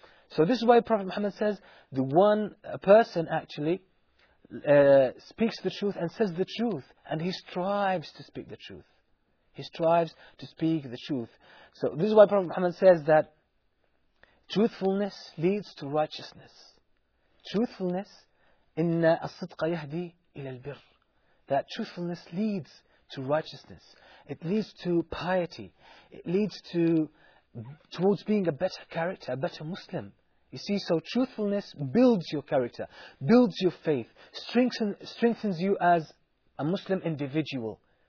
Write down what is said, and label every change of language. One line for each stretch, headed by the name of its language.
English: So this is why Prophet Muhammad says, the one person actually speaks the truth and says the truth, and he strives to speak the truth. He strives to speak the truth. So this is why Prophet Muhammad says that truthfulness leads to righteousness. Truthfulness,
Arabic: إِنَّ أَصْدْقَ يَهْدِي إِلَى الْبِرِّ.
English: That truthfulness leads to righteousness. It leads to piety. It leads towards being a better character, a better Muslim. You see, so truthfulness builds your character, builds your faith, strengthens you as a Muslim individual.